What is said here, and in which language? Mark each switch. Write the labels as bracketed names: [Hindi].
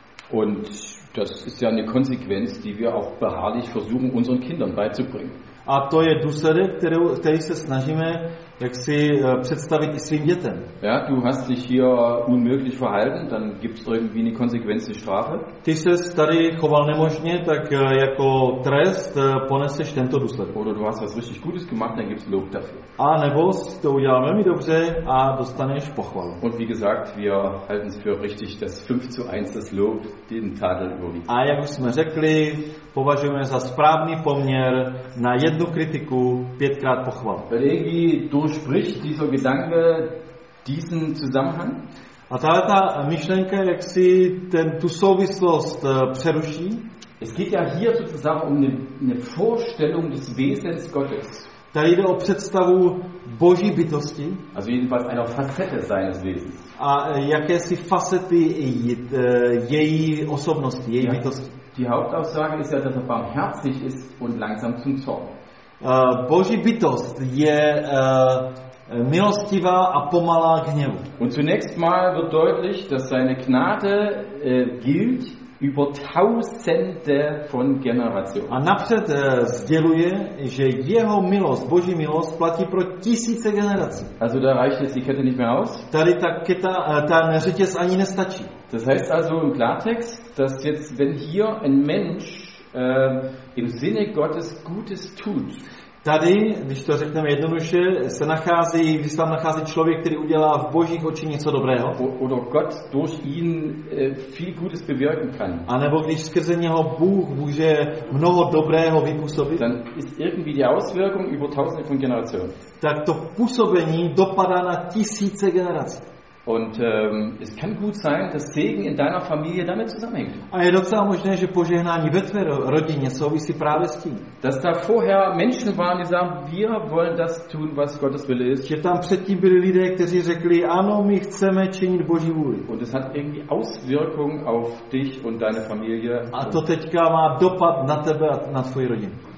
[German] Und das ist ja eine Konsequenz, die wir auch beharrlich versuchen unseren Kindern beizubringen. [Czech] A to je důsledek, který se snažíme jak si představit i svým dětem. [German] Ja, du hast dich hier unmöglich verhalten, dann gibt's irgendwie eine konsequente Strafe. [Czech] Ty jsi tady choval nemožně, tak jako trest poneseš tento důsledek. [German] Oder du hast was richtig Gutes gemacht, dann gibt's Lob dafür. [Czech] A nebo jsi to udělal velmi dobře a dostaneš pochvalu. [German] Und wie gesagt, wir halten es für richtig, dass 5:1 das Lob den Tadel überwiegt. [Czech] A jak už jsme řekli, považujeme za správný poměr na jednu kritiku pětkrát pochval. [German] Regi, durchspricht dieser Gedanke diesen Zusammenhang? [Czech] A tato myšlenka, jak si tu souvislost přeruší? [German] Es geht ja hier sozusagen um eine Vorstellung des Wesens Gottes. [Czech] Tady jde o představu Boží bytosti. [German] Also jedenfalls einer Facette seines Wesens. [Czech] A jakési facety její osobnosti, její bytosti. [German] Die Hauptaussage ist ja, dass er barmherzig ist und langsam zum Zorn. [Czech] Boží bytost je milostivá a pomalá k hněvu. [German] Und zunächst mal wird deutlich, dass seine Gnade gilt über tausende von Generationen. [Czech] A napřed sděluje, že jeho milost, Boží milost, platí pro tisíce generací. [German] Also da reicht jetzt die Kette nicht mehr aus. [Czech] Tady ta keta, ten řetěz ani nestačí. [German] Das heißt also im Klartext, dass jetzt, wenn hier ein Mensch im Sinne Gottes Gutes tut. [Czech] Tady, když to řekneme jednoduše, se nachází, když se tam nachází člověk, který udělá v Božích očích něco dobrého. [German] Oder Gott durch ihn viel Gutes bewirken kann. [Czech] A nebo když skrze něho Bůh může mnoho dobrého vypůsobit. [German] Dann ist irgendwie die Auswirkung über tausende von Generationen. [Czech] Tak to působení dopadá na tisíce generací. [German] Und es kann gut sein, dass Segen in deiner Familie damit zusammenhängt. [Czech] A je docela možné, že požehnání ve tvé rodině souvisí právě s tím. [German] Dass da vorher Menschen waren, die sagen, wir wollen das tun, was Gottes Wille ist. [Czech] Že tam předtím byli lidé, kteří řekli, ano, my chceme činit Boží vůli. [German] Und es hat irgendwie Auswirkung auf dich und deine Familie. [Czech] A to teďka má dopad na tebe a na tvoji rodinu.